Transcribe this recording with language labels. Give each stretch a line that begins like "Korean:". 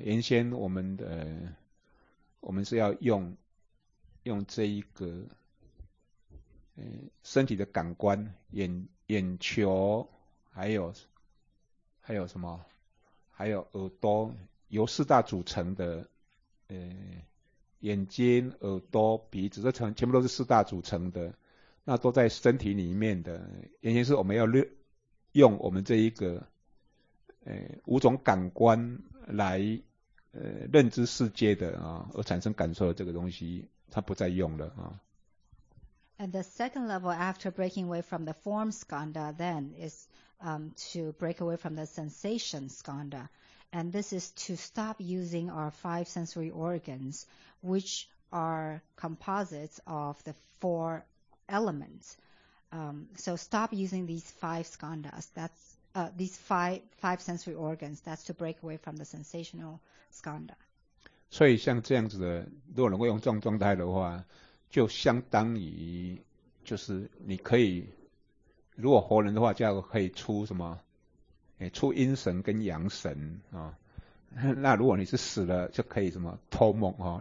Chinese: 原先我们是要用这一个身体的感官，眼球还有什么还有耳朵，由四大组成的眼睛耳朵鼻子，这全部都是四大组成的，那都在身体里面的。原先是我们要用我们这一个五种感官来认知世界的啊，而产生感受的这个东西，它不再用了啊。
English: And the second level after breaking away from the form skanda, then is to break away from the sensation skanda, and this is to stop using our five sensory organs, which are composites of the four elements. So stop using these five skandas. That's these five sensory organs. That's to break away from the sensational skanda.
Chinese: 所以像这样子的，如果能够用这种状态的话，就相当于就是你可以，如果活人的话，就可以出什么？出阴神跟阳神啊。那如果你是死了，就可以什么偷梦啊？